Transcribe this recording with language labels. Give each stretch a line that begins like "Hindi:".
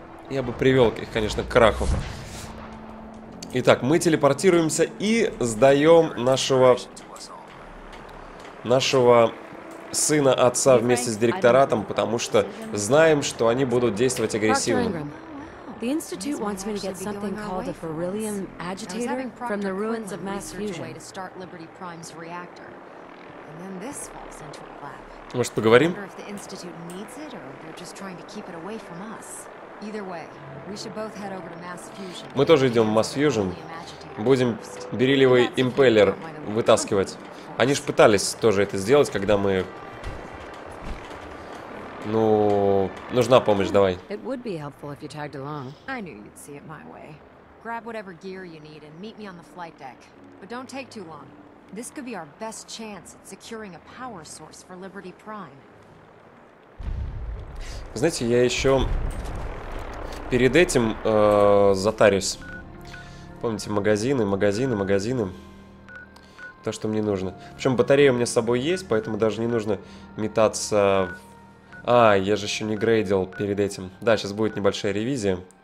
Russian: Я бы привел их, конечно, к краху. Итак, мы телепортируемся и сдаем нашего сына отца вместе с директоратом, потому что знаем, что они будут действовать агрессивно.
English: The Institute wants me to get something called a Ferillium agitator from the ruins of mass fusion to start Liberty Prime's reactor. And then this falls into a lap.
Russian: Может, поговорим?
English: If the Institute needs it or they're just trying to keep it away from us. Either way, we should both head over to mass fusion.
Russian: Мы тоже идем в mass fusion. Будем бериллиевый импеллер вытаскивать. Они же пытались тоже это сделать, когда мы... Ну, нужна помощь, давай.
English: It would be helpful if you tagged along. I knew you'd see it my way. Grab whatever gear you need and meet me on the flight deck. But don't take too long. This could be our best chance at securing a power source for Liberty Prime.
Russian: Знаете, я еще перед этим затарюсь. Помните, магазины. То, что мне нужно. Причем батарея у меня с собой есть, поэтому даже не нужно метаться... А, я же еще не грейдил перед этим. Да, сейчас будет небольшая ревизия.